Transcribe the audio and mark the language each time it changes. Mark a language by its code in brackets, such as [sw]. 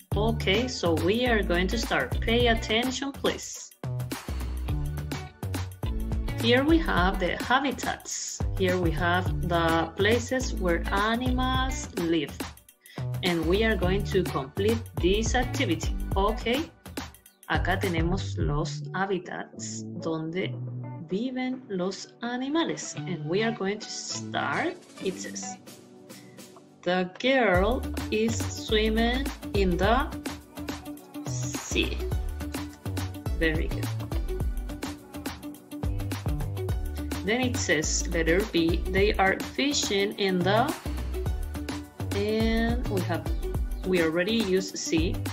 [en] Okay, so we are going to start. Pay attention, please. Here we have the habitats. Here we have the places where animals live. and we are going to complete this activity. Okay. [es] Acá tenemos los hábitats donde viven los animales. [en] And we are going to start. It says, the girl is swimming in the sea. Very good. Then it says, letter B, they are fishing in the, and we already used C.